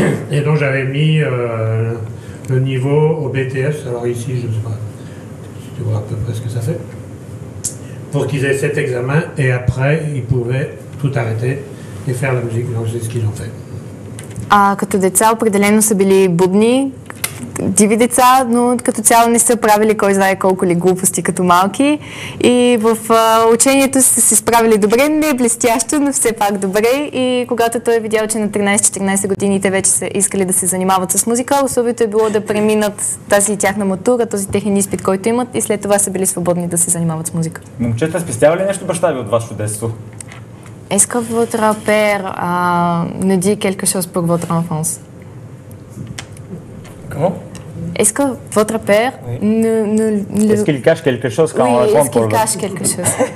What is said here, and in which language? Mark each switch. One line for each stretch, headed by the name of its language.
French: Et donc, j'avais mis le niveau au BTS, alors ici, je ne sais pas si tu vois à peu près ce que ça fait, pour qu'ils aient cet examen, et après, ils pouvaient... tout arrêter et faire la musique, donc c'est ce qu'ils ont fait.
Bulgarian: Като деца определено са били будни, диви деца, но като цяло не са правили кой знае колко ли глупости като малки. И в учението са се справили добре, не блестящо, но все пак добре. И когато той е видял, че на 13-14 години те вече са искали да се занимават с музика, особито е било да преминат тази тяхна матура, този техен изпит, който имат и след това са били свободни да се занимават с музика. Момчета, спестява ли нещо баща ви от вашето детство?
French: Est-ce que votre père ne dit quelque chose pour votre enfance? Comment? Est-ce que votre père oui. ne le... Est-ce qu'il cache quelque chose quand oui, on raconte pour lui? Est-ce qu'il cache quelque chose?